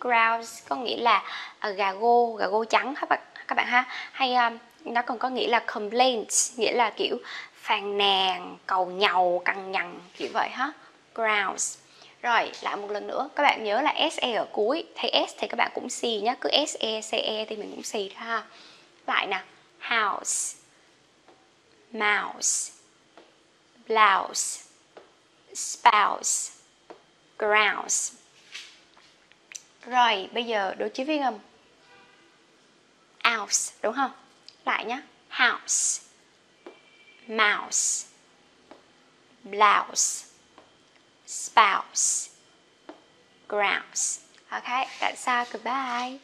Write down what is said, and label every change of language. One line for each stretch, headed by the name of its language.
Vietnamese: Grouse có nghĩa là gà gô trắng các bạn ha. Hay nó còn có nghĩa là complaints, nghĩa là kiểu phàn nàn, cầu nhàu, cằn nhằn, kiểu vậy ha. Grouse. Rồi, lại một lần nữa, các bạn nhớ là SE ở cuối. Thấy S thì các bạn cũng xì nhá. Cứ SE, CE thì mình cũng xì thôi ha. Lại nè,
English: house, mouse, blouse, spouse, grouse.
Vietnamese: Rồi, bây giờ đối chiếu phiên âm. House, đúng không? Lại nhá.
English: House, mouse, blouse, spouse, grouse. Okay, that's all. Goodbye.